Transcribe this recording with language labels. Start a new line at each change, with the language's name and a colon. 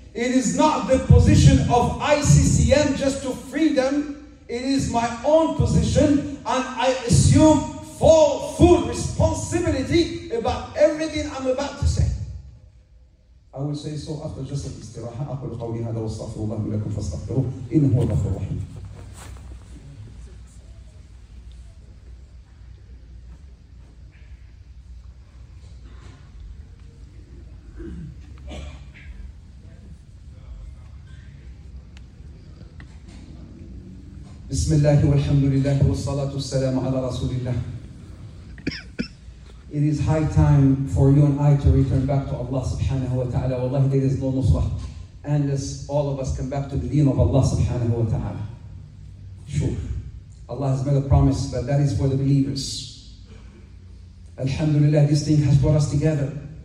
English: It is not the position of ICCM just to freedom. It is my own position, and I assume full responsibility about everything I'm about to say. I will say so after just an istiraha.
Arabic: أقول قولي هذا واستغفر الله لكم فاستغفروه إنه هو الغفور الرحيم. بسم الله والحمد لله والصلاة والسلام على رسول الله.
English: It is high time for you and I to return back to Allah subhanahu wa ta'ala. Wallahi, there is no nusrah. Unless all of us come back to the deen of Allah subhanahu wa ta'ala. Sure. Allah has made a promise, but that is for the believers. Alhamdulillah, this thing has brought us together.